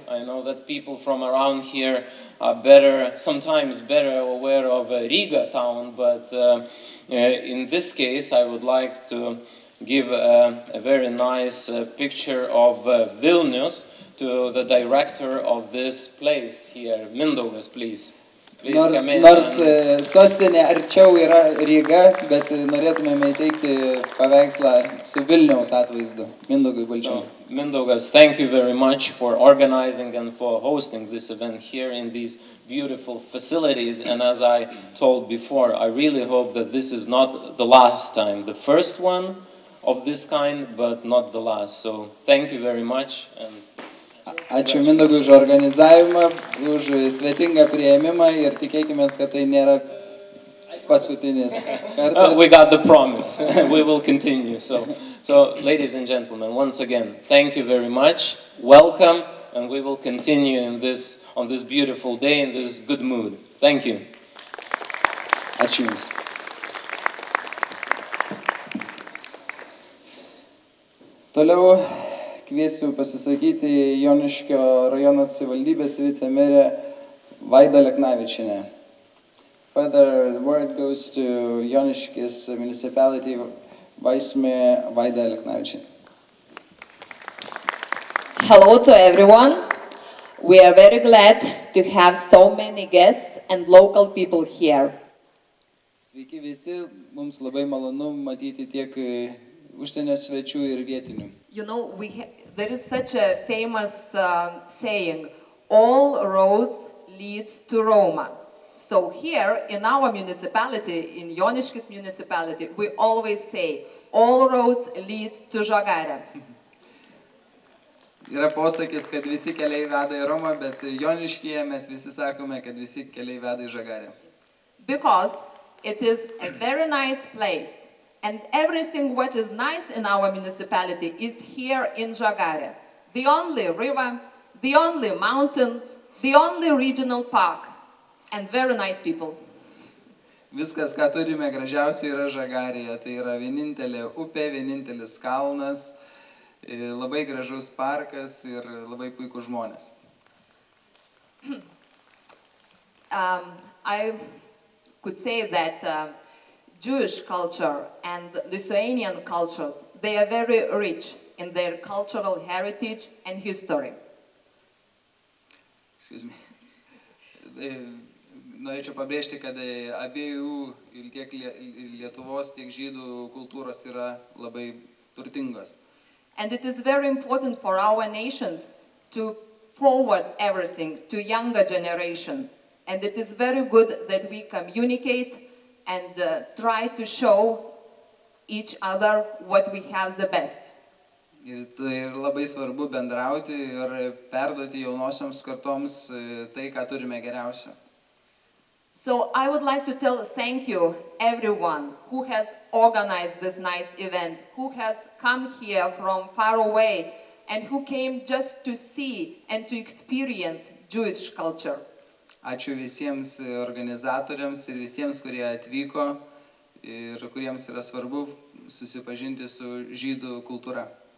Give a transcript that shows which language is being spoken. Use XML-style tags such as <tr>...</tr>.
<en>I know that people from around here are sometimes better aware of Riga town, but in this case I would like to give a very nice picture of Vilnius to the director of this place here. Mindaugas, please.</en> <lt>Nors sostinė arčiau yra Riga, bet norėtumėme įteikti paveikslą su Vilniaus atvaizdu. Mindaugui Balčiūnui.</lt> <en>So, Mindaugas, thank you very much for organizing and for hosting this event here in these beautiful facilities. And as I told before, I really hope that this is not the last time. The first one of this kind, but not the last. So thank you very much. And</en> <lt>ačiū Mindaugui už organizavimą, už svetingą priėmimą ir tikėkime, kad tai nėra paskutinis kartas.</lt> <en>We got the promise. We will continue. So, ladies and gentlemen, once again, thank you very much. Welcome, and we will continue on this beautiful day, in this good mood. Thank you.</en> <lt>Ačiū Jums. Toliau kviesiu pasisakyti Joniškio rajono savivaldybės vicemerė Vaida Leknavičinė.</lt> <en>Further, the word goes to Joniškis municipality vice mayor Vaida Leknavičinė. Hello to everyone. We are very glad to have so many guests and local people here.</en> <lt>Sveiki visi, mums labai malonu matyti tiek užsienio svečių ir vietinių.</lt> <en>You know, there is such a famous saying, all roads leads to Roma. So here in our municipality, in Joniškis municipality, we always say, all roads lead to Žagarė.</en> <lt>Yra posakis, kad visi keliai veda į Romą, bet Joniškyje mes visi sakome, kad visi keliai veda į Žagarę.</lt> <en>Because it is a very nice place. And everything what is nice in our municipality is here in Žagarė. The only river, the only mountain, the only regional park, and very nice people.</en> <lt>Viskas, ką turime gražiausia, yra Žagarėje. Tai yra vienintelė upė, vienintelis kalnas, labai gražus parkas ir labai puikus žmonės.</lt> <en>I could say that Jewish culture and Lithuanian cultures, they are very rich in their cultural heritage and history. Excuse me.</en> <lt>Norėčiau pabrėžti, kad abiejų tiek Lietuvos, tiek žydų kultūros yra labai turtingos.</lt> <en>And it is very important for our nations to forward everything to younger generation. And it is very good that we communicate and try to show each other what we have the best.</en> <lt>Ir tai yra labai svarbu bendrauti ir perduoti jaunosioms kartoms tai, ką turime geriausia.</lt> <en>So I would like to tell thank you everyone who has organized this nice event, who has come here from far away and who came just to see and to experience Jewish culture.</en> <lt>Ačiū visiems organizatoriams ir visiems, kurie atvyko ir kuriems yra svarbu susipažinti su žydų kultūra.</lt>